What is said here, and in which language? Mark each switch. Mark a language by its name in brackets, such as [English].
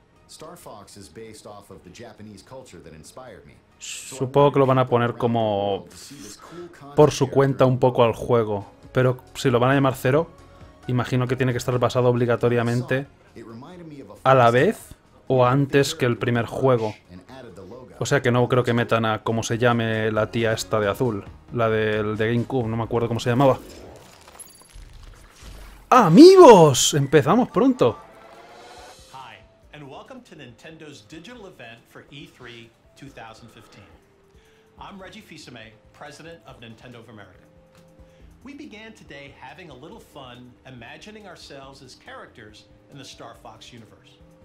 [English] Star Fox is based off of the Japanese culture that inspired me. [Spanish] Supongo que lo van a poner como por su cuenta un poco al juego, pero si lo van a llamar Zero, imagino que tiene que estar basado obligatoriamente a la vez o antes que el primer juego. O sea que no creo que metan a cómo se llame la tía esta de azul, la del de GameCube, no me acuerdo cómo se llamaba. ¡Amigos! ¡Empezamos pronto! [English] Hi, and welcome to Nintendo's digital event for E3 2015. I'm Reggie Fils-Aimé, president of Nintendo of America. We began today having a little fun imagining ourselves as characters in the Star Fox universe.